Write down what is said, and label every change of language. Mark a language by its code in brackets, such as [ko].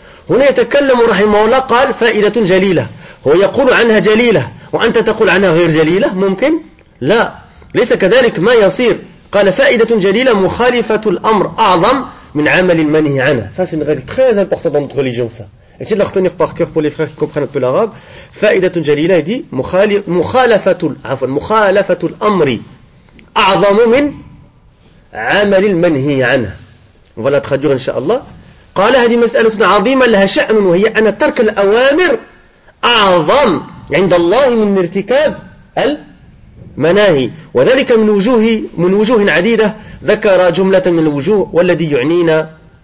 [ar] هنا يتكلم رحمه الله قال فائدة جليلة هو يقول عنها جليلة وأنت تقول عنها غير جليلة ممكن لا ليس كذلك ما يصير قال فائدة جليلة مخالفة الأمر أعظم من عمل المنهي عنه. [fr] Ça c'est une règle très importante dans notre religion, ça. Et c'est de la retenir par cœur pour les frères qui comprennent un peu l'arabe. [ar] فائدة جليلة, [fr] il dit [ar] مخالفة الأمر أعظم من عمل المنهي عنه. [fr] On va la traduire, inshallah. [ar] قال هذه مسألة عظيمة لها شأن وهي أن ترك الأوامر أعظم عند الله من ارتكاب مناهي وذلك من وجوه عديدة ذكر جملة من الوجوه والذي يعنينا